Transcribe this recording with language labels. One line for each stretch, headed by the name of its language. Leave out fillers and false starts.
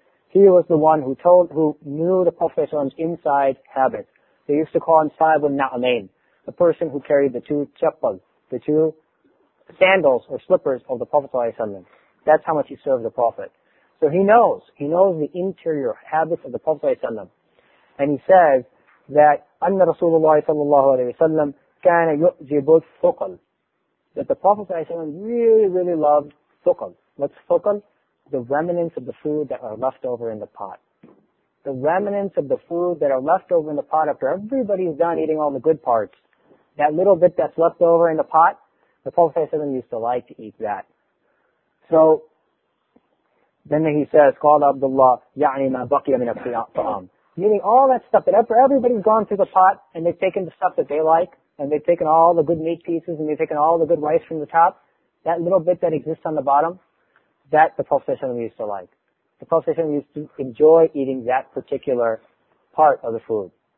English: He was the one who knew the Prophet sallallahu alayhi wa sallam's inside habits. They used to call him Sahib al-Na'amain, the person who carried the two chappal, the two sandals or slippers of the Prophet sallallahu alayhi wa sallam. That's how much he served the Prophet. So he knows. He knows the interior habits of the Prophet ﷺ. And he says that
Arabic: أَنَّ رَسُولُ اللَّهِ صَلَّى اللَّهُ عَلَيْهِ وَسَلَّمْ كَانَ يُؤْجِبُ الثُّقَلْ.
English: That the Prophet ﷺ really, really loved thuqal. What's thuqal? The remnants of the food that are left over in the pot. The remnants of the food that are left over in the pot after everybody's done eating all the good parts. That little bit that's left over in the pot, the Prophet ﷺ used to like to eat that. So, then he says,
Arabic: قال عبد الله يعني ما بقي من الطعام.
English: meaning all that stuff that everybody's gone through the pot and they've taken the stuff that they like and they've taken all the good meat pieces and they've taken all the good rice from the top, that little bit that exists on the bottom, that the Prophet used to like. The Prophet used to enjoy eating that particular part of the food.